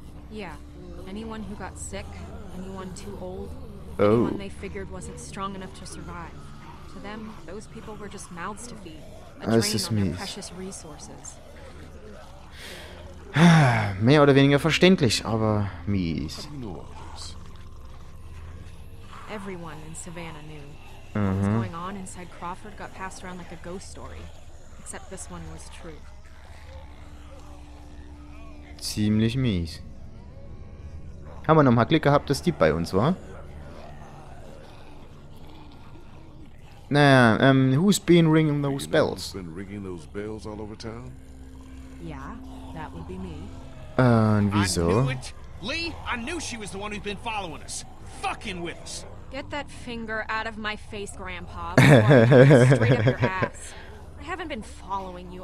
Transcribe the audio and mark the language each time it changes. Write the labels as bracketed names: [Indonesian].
[English] Yeah, anyone who got sick, anyone too old, oh. Anyone they figured wasn't strong enough to survive. To them, those people were just mouths to feed, a drain on their precious resources. [German] Mehr oder weniger verständlich, aber mies. [English] Everyone in Savannah knew. Mm-hmm. What was going on inside Crawford got passed around like a ghost story. Except this one was true. [German] Ziemlich mies. Haben wir nochmal Glück gehabt, dass die bei uns war? [English] Naja, who's been ringing those bells? Been ringing those bells all over town? Yeah, that would be me. [German] Und wieso? [English] I knew it. Lee, I knew she was the one who's been following us. Fucking with us. Get that finger out of my face, Grandpa. Straight up your ass. I haven't been following you.